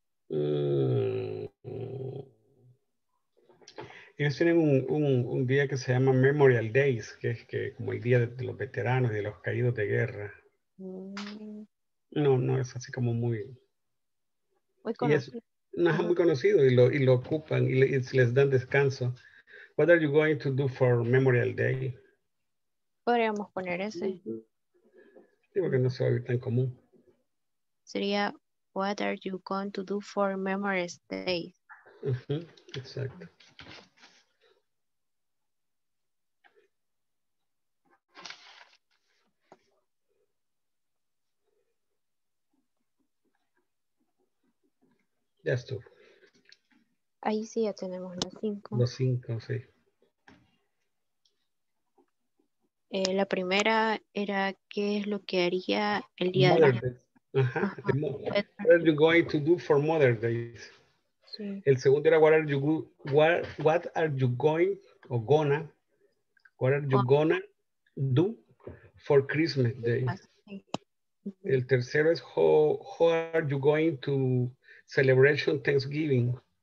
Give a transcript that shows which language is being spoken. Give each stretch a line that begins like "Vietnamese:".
Spanish: Ellos tienen un día que se llama Memorial Days, que es que como el día de los veteranos y de los caídos de guerra. No es así como muy. Muy conocido. No es muy conocido y lo ocupan y les dan descanso.
English: What are you going to do for Memorial Day?
Spanish: Podríamos poner ese. Sí, porque no se va a ver tan común. Sería,
English: what are you going to do for Memorial Day?
Spanish: Uh-huh. Exacto. Ya estuvo. Ahí sí ya tenemos los cinco. Los cinco, sí. La primera era, ¿qué es lo que haría el día de mañana? Ajá.
English: What are you going to do for Mother's Day?
Spanish: Sí. El segundo era,
English: what are you gonna do for Christmas Day?
Spanish: Sí. El tercero es,
English: how are you going to celebration Thanksgiving.